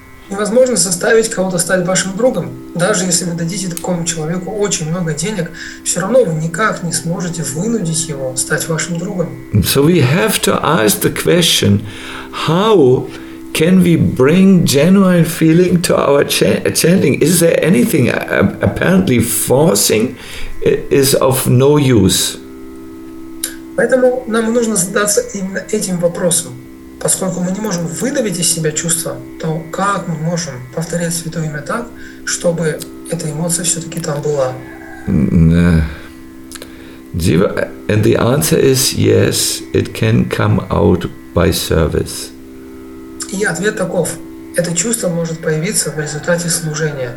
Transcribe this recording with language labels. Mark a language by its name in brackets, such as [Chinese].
[Russian] Невозможно заставить кого-то стать вашим другом. Даже если вы дадите такому человеку очень много денег, все равно вы никак не сможете вынудить его стать вашим другом. [English] So we have to ask the question, how can we bring genuine feeling to our chanting? Is there anything apparently forcing is of no use? [Russian] Поэтому нам нужно задаться именно этим вопросом. Поскольку мы не можем выдавить из себя чувства, то как мы можем повторять Святое Имя так, чтобы эта эмоция все-таки там была? [English] And the answer is yes, it can come out by service. [Russian] И ответ таков. Это чувство может появиться в результате служения.